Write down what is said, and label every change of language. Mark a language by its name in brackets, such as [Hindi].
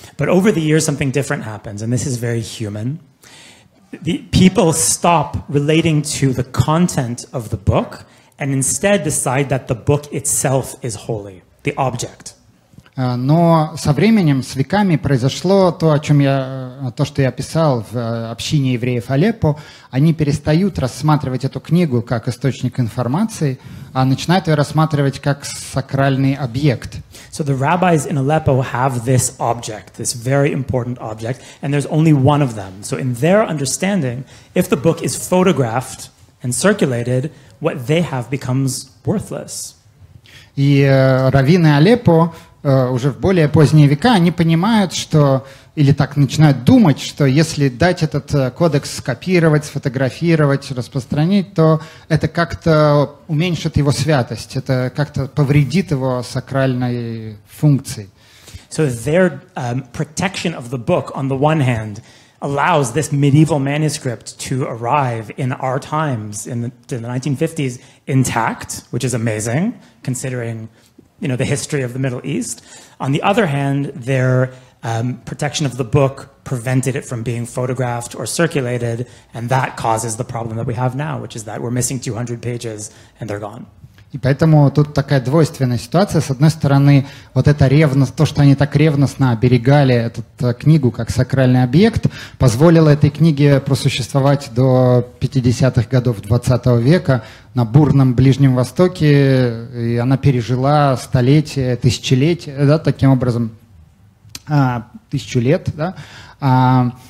[English] But over the years something different happens, and this is very human. The people stop relating to the content of the book and instead decide that the book itself is holy, the object. [Russian] Но со временем, с веками произошло то, о чем я, то, что я писал в общине евреев Алеппо. Они перестают рассматривать эту книгу как источник информации, а начинают ее рассматривать как сакральный объект. [English] So the rabbis in Aleppo have this object, this very important object, and there's only one of them. So in their understanding, if the book is photographed and circulated, what they have becomes worthless. [Russian] И раввины Алеппо уже в более поздние века они понимают, что или так начинают думать, что если дать этот кодекс скопировать, сфотографировать, распространить, то это как-то уменьшит его святость, это как-то повредит его сакральной функции. [English] So their protection of the book on the one hand allows this medieval manuscript to arrive in our times in the 1950s intact, which is amazing considering, you know, the history of the Middle East. On the other hand, their protection of the book prevented it from being photographed or circulated, and that causes the problem that we have now, which is that we're missing 200 pages and they're gone. [Russian] И поэтому тут такая двойственная ситуация. С одной стороны, вот эта ревность, то, что они так ревностно оберегали эту книгу как сакральный объект, позволило этой книге просуществовать до 50-х годов 20 века на бурном Ближнем Востоке, и она пережила столетия, тысячелетия, да, таким образом, тысячу лет, да.